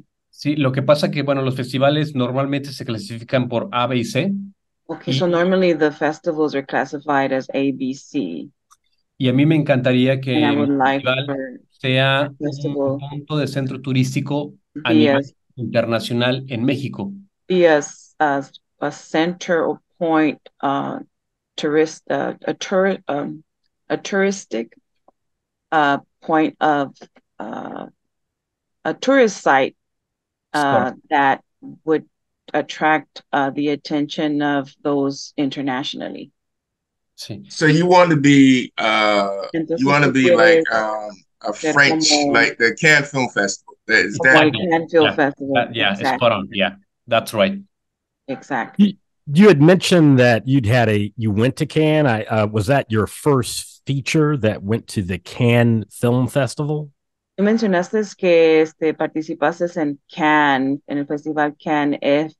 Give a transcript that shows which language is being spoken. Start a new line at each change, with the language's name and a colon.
Spanish: Sí, lo que pasa que, bueno, los festivales normalmente se clasifican por A, B y C.
English: Okay, so normally the festivals are classified as A, B, C.
Spanish: Y a mí me encantaría que el festival sea un punto de centro turístico a nivel internacional en México.
English: Be as a center or point, a tourist site that would attract the attention of those internationally. So you want to be like a French, like the Cannes Film Festival. Is that Cannes Film Festival? Yeah, exactly. It's spot on. Yeah, that's right. Exactly. You had mentioned that you went to Cannes. Was that your first feature that went to the Cannes Film Festival?
Spanish: Tú mencionaste que participaste en Cannes, en el Festival Cannes.